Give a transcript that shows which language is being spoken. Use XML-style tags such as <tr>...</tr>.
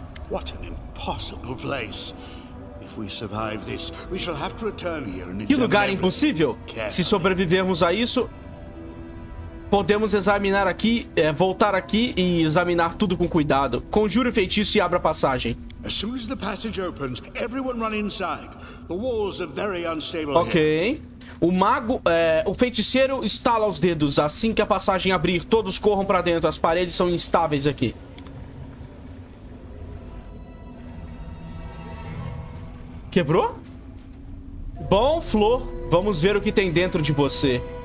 <en>What an impossible place. If we survive this, we shall have to return here and</en> <pt>que lugar impossível? Se sobrevivermos a isso, podemos examinar aqui, voltar aqui e examinar tudo com cuidado. Conjure o feitiço e abra a passagem.</pt> <en>As soon as the passage opens, everyone run inside. The walls are very unstable.</en> <pt>Ok. O mago, o feiticeiro estala os dedos. Assim que a passagem abrir, todos corram pra dentro. As paredes são instáveis aqui. Quebrou? Bom, Flor, vamos ver o que tem dentro de você.</pt>